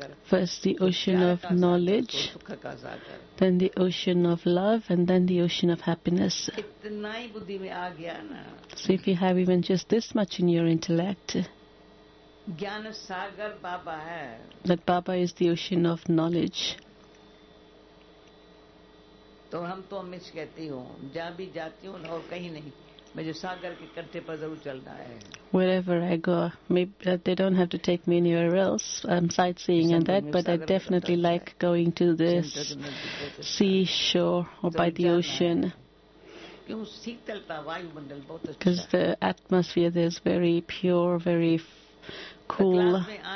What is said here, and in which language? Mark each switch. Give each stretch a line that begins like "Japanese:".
English: First the ocean of knowledge, then the ocean of love, and then the ocean of happiness. So if you have even just this much in your intellect, that Baba is the ocean of knowledge,
Hindi: तो हम तो अमित कहती हूँ जहाँ भी जाती हूँ और कहीं नहीं मुझे सागर के कंठे पर जरूर चलना है
English: Wherever I go, maybe they don't have to take me anywhere else. I'm sightseeing and that, but I definitely like going to this seashore or by the ocean.
Hindi: क्यों शीतलता वायुमंडल बहुत अच्छा
English: Because the atmosphere there is very pure, very cool.